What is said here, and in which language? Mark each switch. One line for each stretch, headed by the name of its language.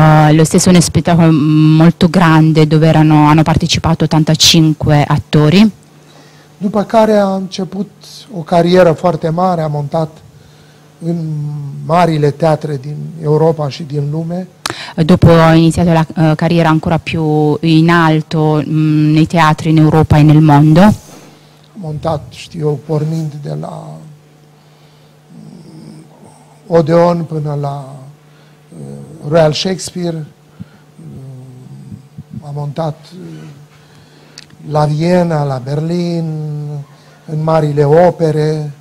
Italian: Lo stesso un spettacolo molto grande dove erano, hanno partecipato 85 attori.
Romanian: După care a început o carieră foarte mare, a montat în marile teatre din Europa și din lume.
Italian: Dopo ho iniziato la carriera ancora più in alto nei teatri in Europa e nel mondo.
Romanian: Montat, știu, pornind de la Odeon până la Royal Shakespeare, am montat la Vienna, la Berlin, în marile opere.